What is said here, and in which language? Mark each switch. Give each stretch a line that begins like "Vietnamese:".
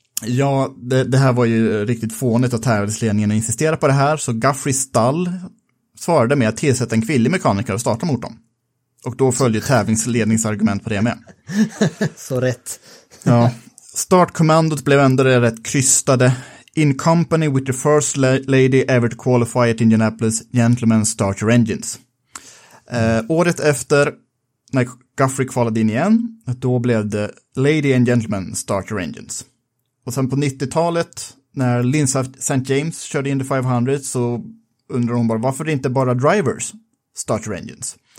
Swedish: Ja, det här var ju riktigt fånigt att tävlingsledningen insisterade på det här. Så Guthrie stall svarade med att tillsätta en kvinnlig mekaniker och starta motorn. Och då följde tävlingsledningsargument på det med. Så rätt. Ja. Startkommandot blev ändå rätt krystade.
English: In company with the first lady ever to qualify at Indianapolis, gentlemen start your engines.
Swedish: Året efter, när Guthrie kvalade in igen, då blev det
English: lady and gentlemen start your engines.
Swedish: Och sen på 90-talet, när Lynn St. James körde Indy 500, så undrar hon bara, varför inte bara
English: drivers start your engines?